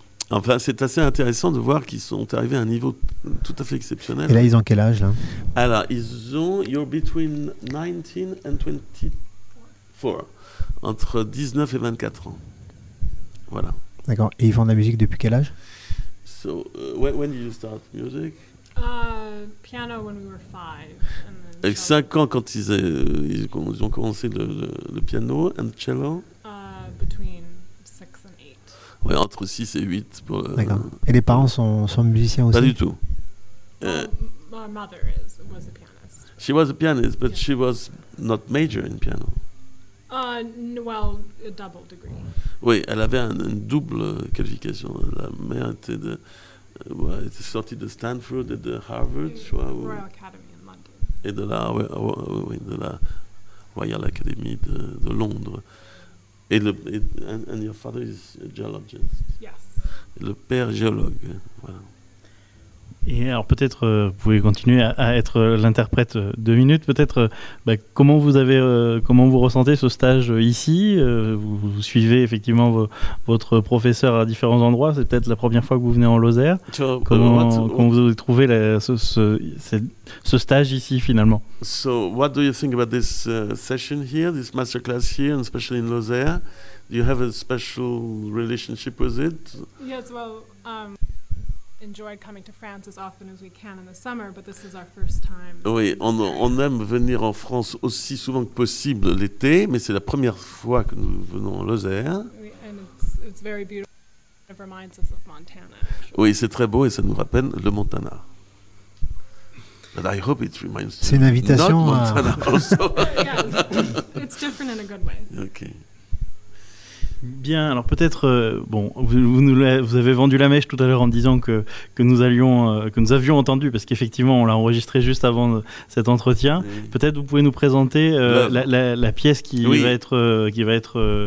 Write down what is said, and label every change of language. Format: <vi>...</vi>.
<fr>Enfin, c'est assez intéressant de voir qu'ils sont arrivés à un niveau tout à fait exceptionnel. Et là, ils ont quel âge, là ? Alors, ils ont...</fr> <en>You're between 19 and 24.</en> <fr>Entre 19 et 24 ans. Voilà. D'accord. Et ils font de la musique depuis quel âge ?</fr> <en>So, when did you start music ? Piano when we were 5.</en> <fr>5 ans quand ils ont commencé le piano</fr> <en>and cello. Between 6 and 8.</en> <fr>Ouais, entre 6 et 8. Pour, d'accord. Et les parents sont musiciens aussi ? Pas du tout.</fr> <en>My mother was a pianist. She was a pianist, but yeah. She was not major in piano. Well, a double degree.</en> <fr>Oui, elle avait une double qualification. La mère était de, était sortie de Stanford et de Harvard, je crois.</fr> <en>Royal Academy in London.</en> <fr>Et de la Royal Academy de Londres. Et le</fr> <en>and your father is a geologist. Yes.</en> <fr>Et le père géologue, voilà. Et alors peut-être vous pouvez continuer à être l'interprète deux minutes. Peut-être comment vous avez comment vous ressentez ce stage ici. Vous suivez effectivement votre professeur à différents endroits. C'est peut-être la première fois que vous venez en Lozère. Comment vous avez trouvé ce stage ici finalement.</fr> <en>So what do you think about this session here, this masterclass here, and especially in Lozère? Do you have a special relationship with it? Yes, well. Enjoyed coming to France as often as we can in the summer, but this is our first time.</en> <fr>Oui, on aime venir en France aussi souvent que possible l'été, mais c'est la première fois que nous venons en Lozère.</fr> <en>And it's very beautiful. It reminds us of Montana.</en> <fr>Oui, c'est très beau et ça nous rappelle le Montana.</fr> <en>But I hope it reminds you.</en> <fr>C'est une invitation.</fr> <en>Not Montana</en> <fr>à...</fr> <en>also. Yeah, it's different in a good way. Okay.</en> <fr>Bien, alors peut-être, vous avez vendu la mèche tout à l'heure en disant que nous avions entendu, parce qu'effectivement, on l'a enregistré juste avant cet entretien. Oui. Peut-être vous pouvez nous présenter la pièce qui oui. va être, qui va être.</fr>